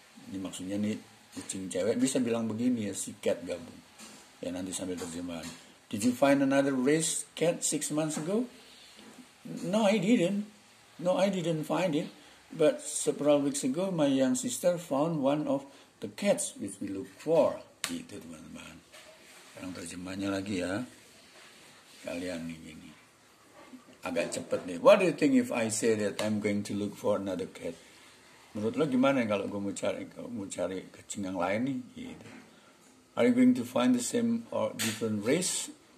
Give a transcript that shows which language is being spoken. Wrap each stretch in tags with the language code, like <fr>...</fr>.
<id>Ini maksudnya nih, kucing cewek bisa bilang begini ya, sea cat gabung. Ya nanti sambil terjemahan.</id> <en>Did you find another race cat 6 months ago? No, I didn't. No, I didn't find it. But several weeks ago, my young sister found one of the cats which we look for.</en> <id>Gitu teman-teman. Sekarang terjemahnya lagi ya. Kalian nih gini. Agak cepet nih.</id> <en>What do you think if I say that I'm going to look for another cat?</en> <id>Menurut lo gimana kalau gue mau cari kucing yang lain nih? Gitu.</id> <en>Are you going to find the same or different race?</en>